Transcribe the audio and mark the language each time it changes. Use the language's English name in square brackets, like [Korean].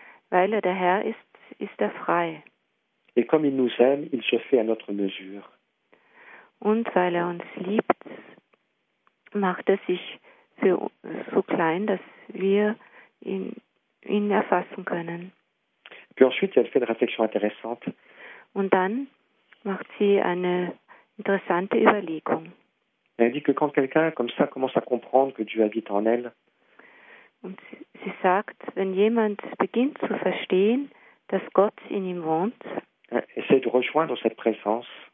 [German] Weil er der Herr ist, ist er frei. [French] Et comme il nous aime, il se fait à notre mesure. [German] Und weil er uns liebt, macht er sich für so klein, dass wir ihn erfassen können. [French] Puis ensuite, elle fait une réflexion intéressante. [German] Und dann macht sie eine interessante Überlegung. [French] Elle dit que quand quelqu'un comme ça commence à comprendre que Dieu habite en elle, [German] und sie sagt, wenn jemand beginnt zu verstehen, dass Gott in ihm wohnt, [French] essaie de rejoindre cette présence,